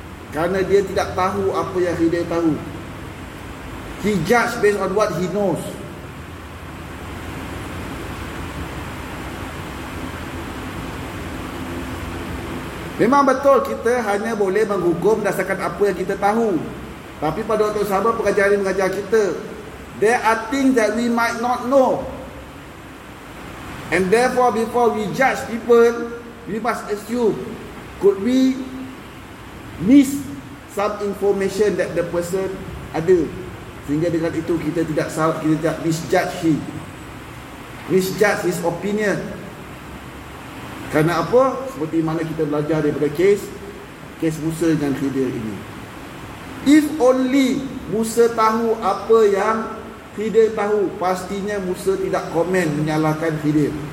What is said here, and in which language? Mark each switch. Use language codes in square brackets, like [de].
[ms] Kerana dia tidak tahu apa yang Khidir tahu. [en] He judge based on what he knows. [ms] Memang betul kita hanya boleh menghukum berdasarkan apa yang kita tahu. Tapi pada waktu sama pengajaran ini mengajar kita, [en] there are things that we might not know. And therefore before we judge people, we must assume, could we miss some information that the person [ms] ada. Sehingga dengan itu kita tidak salah, kita tidak [en] misjudge him, misjudge his opinion. [ms] Kerana apa? Seperti mana kita belajar daripada kes Musa dengan Khidir ini. [en] If only [ms] Musa tahu apa yang Khidir tahu, pastinya Musa tidak komen menyalahkan Khidir.